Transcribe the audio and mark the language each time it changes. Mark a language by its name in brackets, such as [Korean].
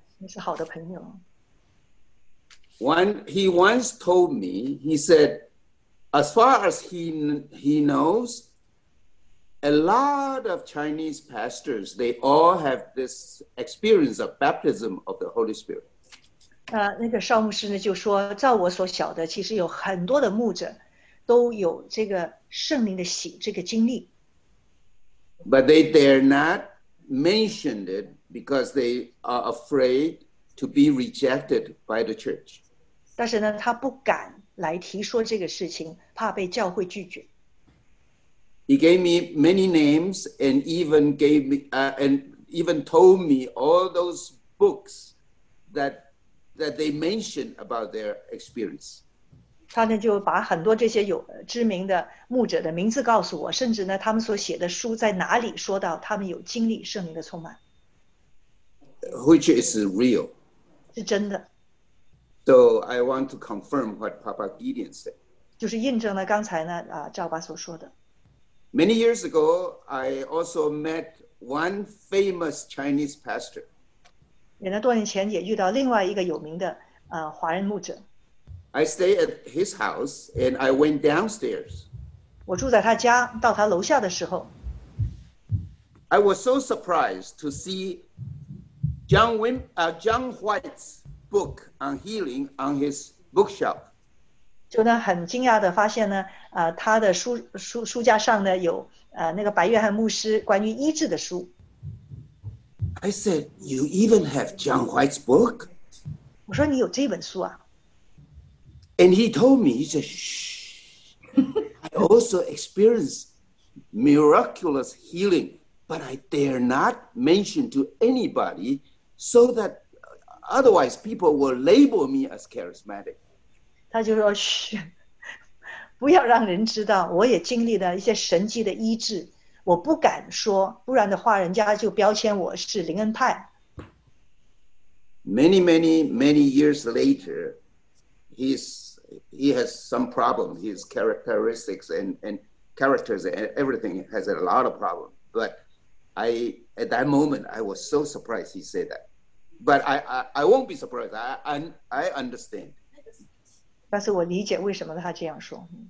[Chinese] 你是好的朋友. [English] He once told me, he said, as far as he knows, a lot of Chinese pastors, they all have this experience of baptism of the Holy Spirit. [Chinese] 那个邵牧师呢就说，照我所晓得，其实有很多的牧者都有这个圣灵的洗这个经历。 [English] But they dare not mention it because they are afraid to be rejected by the church. [Chinese] 但是呢，他不敢来提说这个事情，怕被教会拒绝。 [English] He gave me many names and even gave me and even told me all those books that they mention about their experience. [Chinese] 他呢就把很多这些有知名的牧者的名字告诉我，甚至呢他们所写的书在哪里说到他们有经历圣灵的充满。 [English] Which is real. [Chinese] 是真的。 [English] So I want to confirm what Papa Gideon said. [Chinese] 就是印证了刚才呢赵爸所说的。 [English] Many years ago, I also met one famous Chinese pastor. [Chinese] 也多年前也遇到另外一个有名的, 华人牧者。 [English] I stayed at his house and I went downstairs. [Chinese] 我住在他家, 到他楼下的时候, [English] I was so surprised to see John White's book on healing on his bookshelf. [Chinese] 就很惊讶地发现呢, 他的书架上呢, 有, 那个白约翰牧师关于医治的书。 [English] I said, you even have John White's book? [Chinese] 我说你有这本书啊? [English] And he told me, he said, shh, I also experienced miraculous healing, but I dare not mention to anybody so that otherwise people will label me as charismatic. [Chinese] 他就说, shh, 不要让人知道我也经历了一些神迹的医治, 我不敢说, 不然的话人家就标签我是灵恩派。 [English] Many, many, many years later, he has some problem, his characteristics and characters and everything has a lot of problem. But I, at that moment, I was so surprised he said that. But I won't be surprised, I understand. [Chinese] 但是我理解为什么他这样说。